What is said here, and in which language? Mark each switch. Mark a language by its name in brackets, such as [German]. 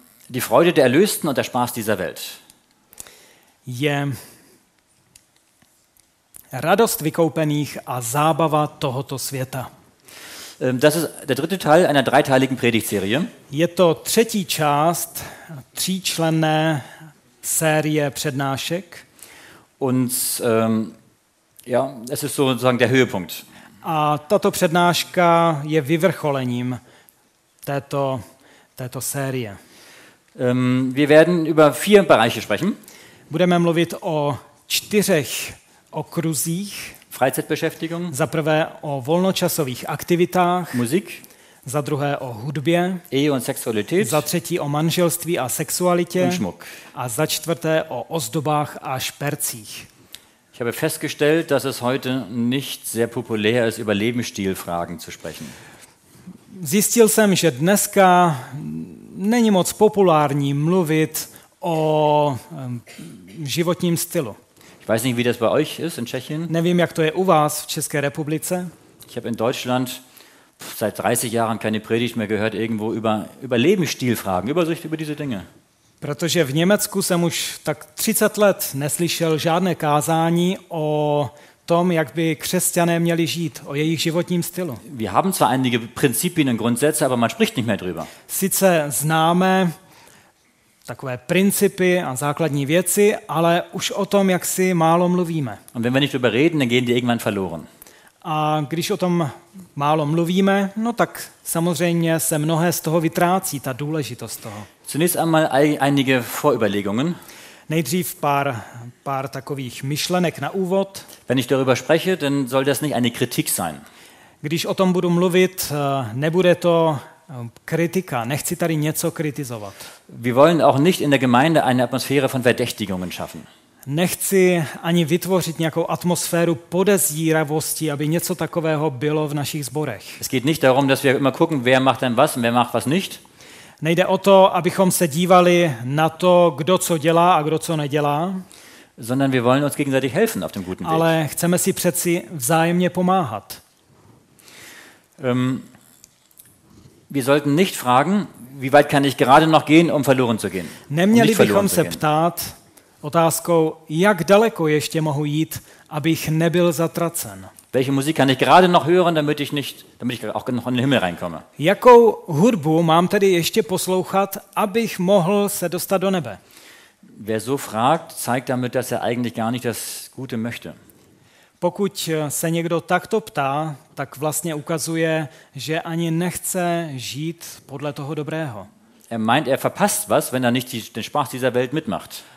[German] Die Freude der Erlösten und der Spaß dieser Welt. [Czech] Je radost vykoupených a zábava tohoto světa. [German] Das ist der dritte Teil einer dreiteiligen Predigtserie. [Czech] Je to třetí část tříčlenné série přednášek. [German] Und ja, es ist sozusagen der Höhepunkt. [Czech] A tato přednáška je vyvrcholením této série. [German] Wir werden über vier Bereiche sprechen. [Czech] Budeme mluvit o čtyřech okruzích. [German] Freizeitbeschäftigung. [Czech] Za prvé o volnočasových aktivitách. [German] Musik. [Czech] Za druhé o hudbě. [German] Ehe und Sexualität. [Czech] Za třetí o manželství a sexualitě. [German] Und Schmuck. [Czech] A za čtvrté o ozdobách a špercích. [German] Ich habe festgestellt, dass es heute nicht sehr populär ist, über Lebensstilfragen zu sprechen. [Czech] Zjistil jsem, že dneska není moc populární mluvit o životním stylu. [German] Ich weiß nicht, wie das bei euch ist in Tschechien. [Czech] Nevím, jak to je u vás v České republice. [German] Ich habe in Deutschland seit 30 Jahren keine Predigt mehr gehört irgendwo über Lebensstilfragen, über diese Dinge. [Czech] Protože v Německu jsem už tak 30 let neslyšel žádné kázání o tom, jak by křesťané měli žít, o jejich životním stylu. [German] Wir haben zwar einige Prinzipien und Grundsätze, aber man spricht nicht mehr drüber. [Czech] Sice známe takové principy a základní věci, ale už o tom jak si málo mluvíme. [German] Und wenn wir nicht drüber reden, dann gehen die irgendwann verloren. [Czech] A když o tom málo mluvíme, no tak samozřejmě se mnohé z toho vytrácí, ta důležitost toho. [German] Zunächst einmal einige Vorüberlegungen. [Czech] Nejdřív pár takových myšlenek na úvod. [German] Wenn ich darüber spreche, dann soll das nicht eine Kritik sein. [Czech] Když o tom budu mluvit, nebude to kritika, nechci tady něco kritizovat. [German] Wir wollen auch nicht in der Gemeinde eine Atmosphäre von Verdächtigungen schaffen. [Czech] Nechci ani vytvořit nějakou atmosféru podezíravosti, aby něco takového bylo v našich sborech. [German] Es geht nicht darum, dass wir immer gucken, wer macht denn was und wer macht was nicht. [Czech] Nejde o to, abychom se dívali na to, kdo co dělá a kdo co nedělá. [German] Sondern wir wollen uns gegenseitig helfen auf dem guten Weg. [Czech] Ale chceme si přeci vzájemně pomáhat. [German] Wir sollten nicht fragen, wie weit kann ich gerade noch gehen, um verloren zu gehen. [Czech] Neměli bychom se ptát otázkou, jak daleko ještě mohu jít, abych nebyl zatracen. [German] Welche Musik kann ich gerade noch hören, damit ich auch noch in den Himmel reinkomme? [Czech] Jakou hudbu mám tedy ještě poslouchat, abych mohl se dostat do nebe? [German] Wer so fragt, zeigt damit, dass er eigentlich gar nicht das Gute möchte. [Czech] Pokud se někdo takto ptá, tak vlastně ukazuje, že ani nechce žít podle toho dobrého. [German] Er meint, er verpasst was, wenn er nicht den Spaß dieser Welt mitmacht.